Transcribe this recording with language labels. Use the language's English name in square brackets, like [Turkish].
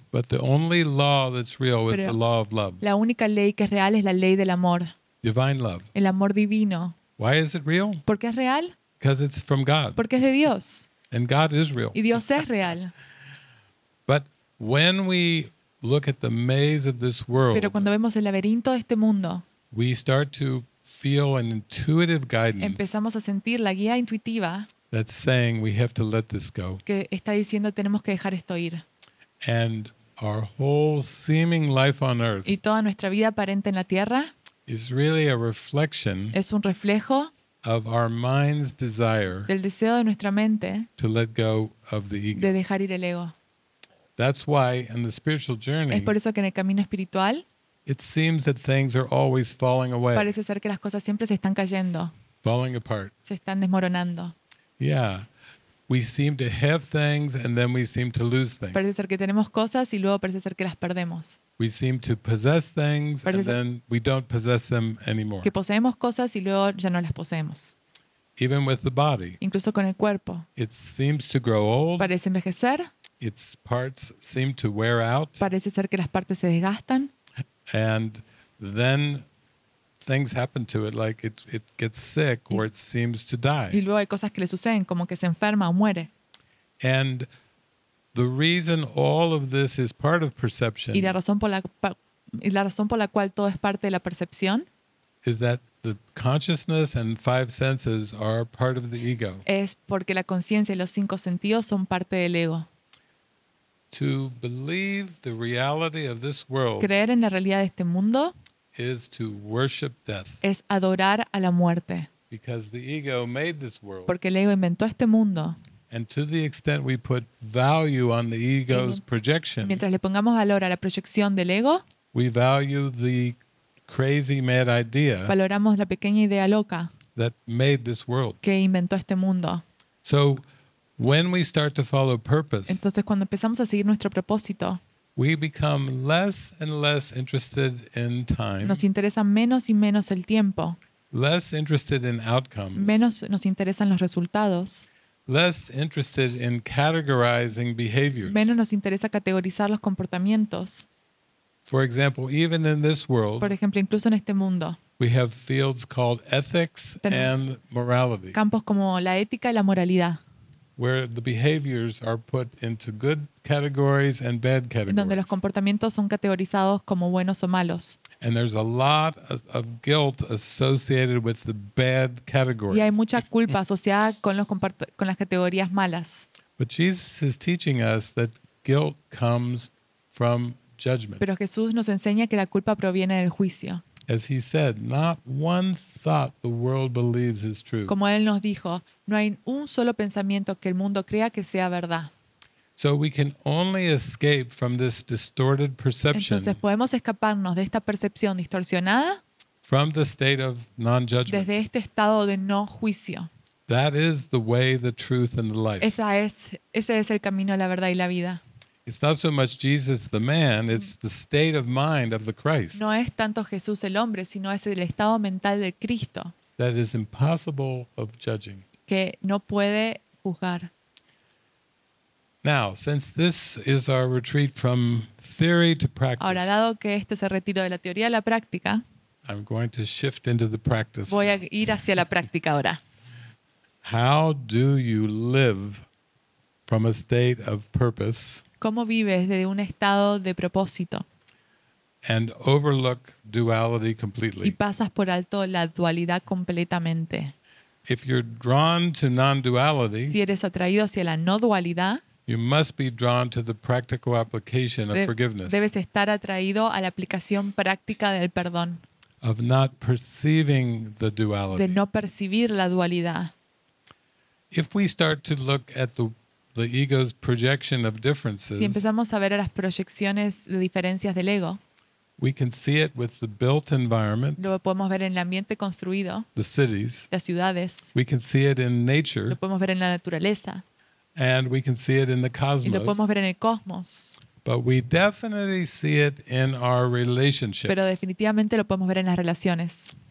[English] But the only law that's real is the law of love. [Spanish] La única ley que es real es la ley del amor. [English] Divine love. [Spanish] El amor divino. [English] Why is it real? [Spanish] ¿Por qué es real? [English] Because it's from God. [Spanish] Porque es de Dios. [English] And God is real. [Spanish] Y Dios es real. [English] When we look at the maze of this world, [Spanish] pero cuando vemos el laberinto de este mundo, [English] we start to feel an intuitive guidance. [Spanish] Empezamos a sentir la guía intuitiva. [English] That's saying we have to let this go. [Spanish] Que está diciendo tenemos que dejar esto ir. [English] And our whole seeming life on earth. [Spanish] Y toda nuestra vida aparente en la tierra. [English] Is really a reflection. [Spanish] Es un reflejo. [English] Of our mind's desire. [Spanish] Del deseo de nuestra mente. [English] To let go of the ego. [Spanish] De dejar ir el ego. [English] That's why in the spiritual journey. [Spanish] Es por eso que en el camino espiritual. [English] It seems that things are always falling away. [Spanish] Parece ser que las cosas siempre se están cayendo. [English] Falling apart. [Spanish] Se están desmoronando. Yeah. [English] We seem to have things and then we seem to lose things. [Spanish] Parece ser que tenemos cosas y luego parece ser que las perdemos. [English] We seem to possess things and then we don't possess them anymore. [Spanish] Que poseemos cosas y luego ya no las poseemos. [English] Even with the body. [Spanish] Incluso con el cuerpo. [English] It seems to grow old. [Spanish] Parece envejecer. [English] Its parts seem to wear out. [Spanish] Parece ser que las partes se desgastan. [English] And then things happen to it, like it gets sick or it seems to die. [Spanish] Y luego hay cosas que le suceden, como que se enferma o muere. [English] And the reason all of this is part of perception. [Spanish] Y la razón por la cual todo es parte de la percepción. [English] Is that the consciousness and five senses are part of the ego. [Spanish] Es porque la conciencia y los cinco sentidos son parte del ego. [English] To believe the reality of this world. [Spanish] Creer en la realidad de este mundo. [English] Is to worship death. [Spanish] Es adorar a la muerte. [English] Because the ego made this world. [Spanish] Porque el ego inventó este mundo. [English] And to the extent we put value on the ego's projection. [Spanish] Mientras le pongamos valor a la proyección del ego. [English] We value the crazy mad idea. [Spanish] Valoramos la pequeña idea loca. [English] That made this world. [Spanish] Que inventó este mundo. [English] So when we start to follow purpose. [Spanish] Entonces cuando empezamos a seguir nuestro propósito. [English] We become less and less interested in time. [Spanish] Nos interesa menos y menos el tiempo. [English] Less interested in outcomes. [Spanish] Menos nos interesan los resultados. [English] Less interested in categorizing behaviors. [Spanish] Menos nos interesa categorizar los comportamientos. [English] For example, even in this world. [Spanish] Por ejemplo, incluso en este mundo. [English] We have fields called ethics and morality. [Spanish] Campos como la ética y la moralidad. [English] Where the behaviors are put into good categories and bad categories. [Spanish] Donde los comportamientos son categorizados como buenos o malos. [English] And there's a lot of guilt associated with the bad categories. [Spanish] Y hay mucha culpa asociada con las categorías malas. [English] But Jesus is teaching us that guilt comes from judgment. [Spanish] Pero Jesús nos enseña que la culpa proviene del juicio. [English] As he said, not one thought the world believes is true. [Spanish] Como él nos dijo, no hay un solo pensamiento que el mundo crea que sea verdad. [English] So we can only escape from this distorted perception. [Spanish] Entonces podemos escaparnos de esta percepción distorsionada. [English] From the state of non-judgment. [Spanish] Desde este estado de no juicio. [English] That is the way, the truth, and the life. [Spanish] Ese es el camino a la verdad y la vida. [English] It's not so much Jesus the man, it's the state of mind of the Christ. [Spanish] No es tanto Jesús el hombre, sino es el estado mental del Cristo. [English] That is impossible of judging. [Spanish] Que no puede juzgar. [English] Now, since this is our retreat from theory to practice. [Spanish] Ahora, dado que este es el retiro de la teoría a la práctica. [English] I'm going to shift into the practice. [Spanish] Voy a ir hacia la práctica ahora. [English] How do you live from a state of purpose? [Spanish] ¿Cómo vives desde un estado de propósito? [English] And overlook duality completely. [Spanish] Y pasas por alto la dualidad completamente. [English] If you're drawn to non-duality, [Spanish] si eres atraído hacia la no dualidad, [English] you must be drawn to the practical application of forgiveness. [Spanish] Debes estar atraído a la aplicación práctica del perdón. [English] Of not perceiving the duality. [Spanish] De no percibir la dualidad. [English] If we start to look at the ego's projection of differences. [Spanish] Si empezamos a ver a las proyecciones de diferencias del ego. [English] We can see it with the built environment. [Spanish] Lo podemos ver en el ambiente construido. [English] The cities. [Spanish] Las ciudades. [English] We can see it in nature. [Spanish] Lo podemos ver en la naturaleza. [English] And we can see it in the cosmos. [Spanish] Y lo podemos ver en el cosmos. [English] But we definitely see it in our relationships. [Spanish] Pero definitivamente lo podemos ver en las relaciones.